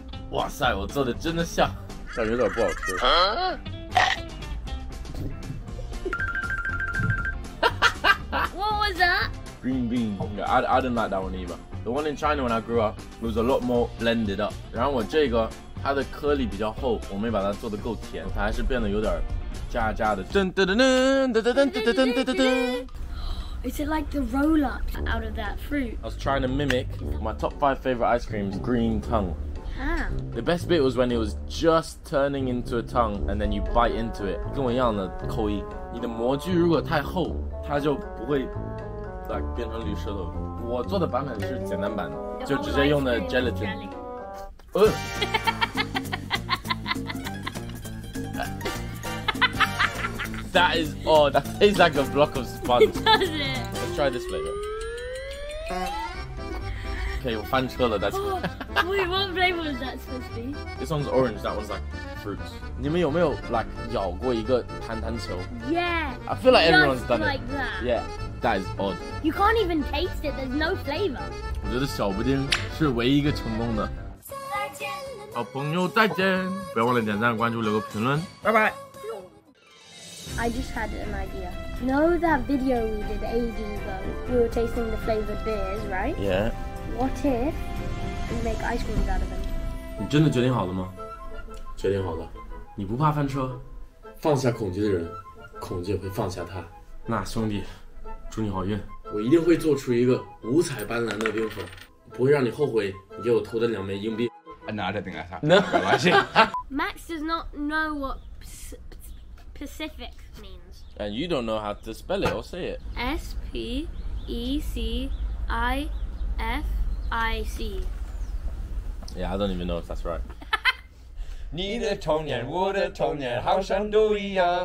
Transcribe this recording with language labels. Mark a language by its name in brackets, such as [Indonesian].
[Chinese] 哇塞，我做的真的像，但有点不好吃。啊 [English] What was that? Green bean. I didn't like that one either. The one in China when I grew up was a lot more blended up. [Chinese] 然后我这个它的颗粒比较厚，我没把它做得够甜，它还是变得有点渣渣的。噔噔噔噔噔噔噔噔噔噔噔噔噔。 [English] Is it like the roll up out of that fruit? I was trying to mimic my top five favorite ice creams, green tongue. The best bit was when it was just turning into a tongue and then you bite into it. [Chinese] 跟我一样的口音。你的模具如果太厚，它就不会 like 变成绿舌头。我做的版本是简单版的，就直接用的 gelatin。 [English] That is, oh, that tastes like a block of sponge. It doesn't. Let's try this flavor. Okay, we're fan chiller, that's... Wait, what flavor is that supposed to be? This one's orange, that one's like fruits. [Chinese] 你们有没有 like 咬过一个弹弹球? [English] Yeah. I feel like everyone's done like it. That. Yeah, that is odd. You can't even taste it, there's no flavor. [Chinese] 我觉得小布丁是唯一一个成功的。好朋友再见。不要忘了点赞、关注、留个评论。拜拜。 [English] I just had an idea. You know that video we did ages ago? We were tasting the flavored beers, right? Yeah. What if we make ice creams out of them? [Chinese] 你真的决定好了吗？决定好了。你不怕翻车？放下恐惧的人，恐惧会放下他。那兄弟，祝你好运。我一定会做出一个五彩斑斓的冰盒，不会让你后悔你给我偷的两枚硬币。 [English] No, I don't think that's happening. No. [Chinese] 没关系。 [English] Max does not know what... Pacific means. And you don't know how to spell it or say it. S-P-E-C-I-F-I-C. Yeah, I don't even know if that's right. [Chinese] 你的童年我的童年好像都一样